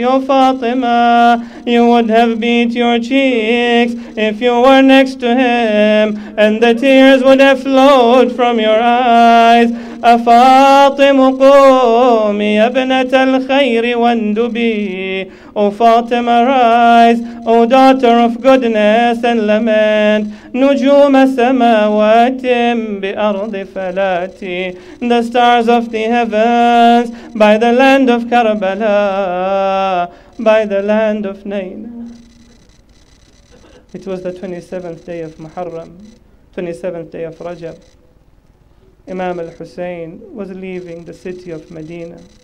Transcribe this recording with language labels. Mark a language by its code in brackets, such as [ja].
[ar] يا فاطمة, [en] you would have beat your cheeks if you were next to him and the tears would have flowed from your eyes. [ar] أفاطم قومي يا ابنة الخير واندبي. [en] O Fatima, rise, O daughter of goodness and lament. [ar] نجوم السماوات بأرض فلاتي. [en] The stars of the heavens by the land of Karbala, by the land of Naina. It was the 27th day of Muharram, 27th day of Rajab. Imam al-Hussein was leaving the city of Medina.